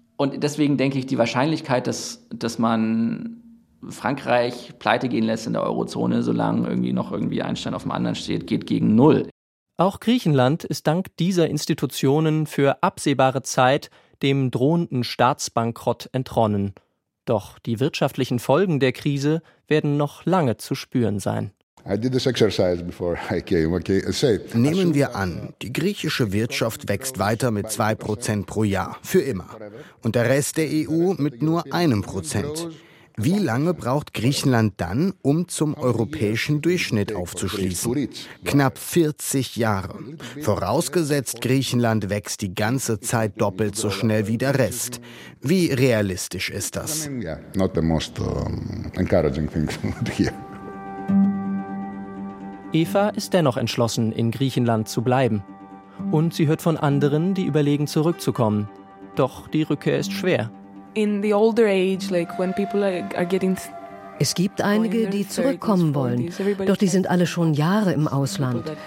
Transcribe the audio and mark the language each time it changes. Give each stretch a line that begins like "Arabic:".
German: Und deswegen denke ich, die Wahrscheinlichkeit, dass man Frankreich pleite gehen lässt in der Eurozone, solange irgendwie noch irgendwie ein Stein auf dem anderen steht, geht gegen null. Auch Griechenland ist dank dieser Institutionen für absehbare Zeit dem drohenden Staatsbankrott entronnen. Doch die wirtschaftlichen Folgen der Krise werden noch lange zu spüren sein.
English: I did this exercise before I came, okay.
German: Nehmen wir an, die griechische Wirtschaft wächst weiter mit 2% pro Jahr, für immer. Und der Rest der EU mit nur 1%. Wie lange braucht Griechenland dann, um zum europäischen Durchschnitt aufzuschließen? Knapp 40 Jahre. Vorausgesetzt, Griechenland wächst die ganze Zeit doppelt so schnell wie der Rest. Wie realistisch ist das?
English: Not the most encouraging thing here.
German: Eva ist dennoch entschlossen, in Griechenland zu bleiben. Und sie hört von anderen, die überlegen, zurückzukommen. Doch die Rückkehr ist schwer. Es gibt einige, die zurückkommen wollen, doch die sind alle schon Jahre im Ausland.